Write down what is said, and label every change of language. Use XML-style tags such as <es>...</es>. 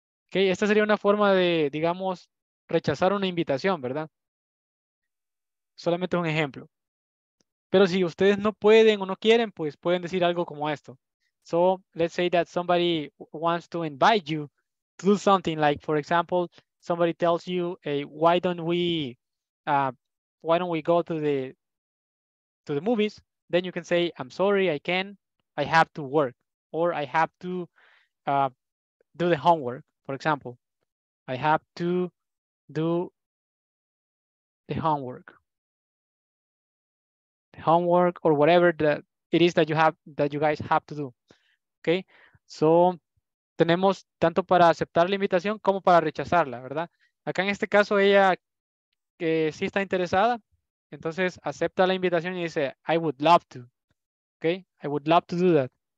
<es>Okay, esta sería una forma de, digamos, rechazar una invitación, ¿verdad? Solamente un ejemplo. Pero si ustedes no pueden o no quieren, pues pueden decir algo como esto.</es> <en>So, let's say that somebody wants to invite you to do something, like, for example, somebody tells you, hey, why don't we go to the movies? Then you can say, I'm sorry, I can, I have to work, or I have to do the homework. For example, I have to do the homework. The homework or whatever that it is that you guys have to do. Okay?</en> <es>So, tenemos tanto para aceptar la invitación como para rechazarla, ¿verdad? Acá en este caso ella que sí está interesada, entonces acepta la invitación y dice,</es> <en>I would love to. Okay? I would love to do that.</en>